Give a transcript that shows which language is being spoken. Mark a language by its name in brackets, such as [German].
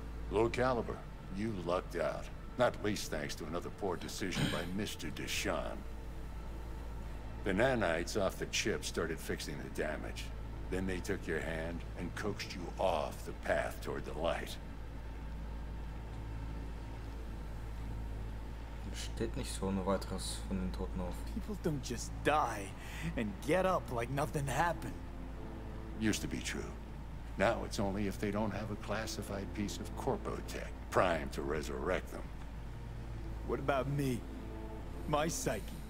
[English] Low caliber. You lucked out. Not least thanks to another poor decision by Mr. Deshaun. The nanites off the chip started fixing the damage. Then they took your hand and coaxed you off the path toward the light. [German] Steht nicht so ohne weiteres von den Toten auf. [English] People don't just die and get up like nothing happened. Used to be true. Now it's only if they don't have a classified piece of corpo tech primed to resurrect them. What about me? My psyche?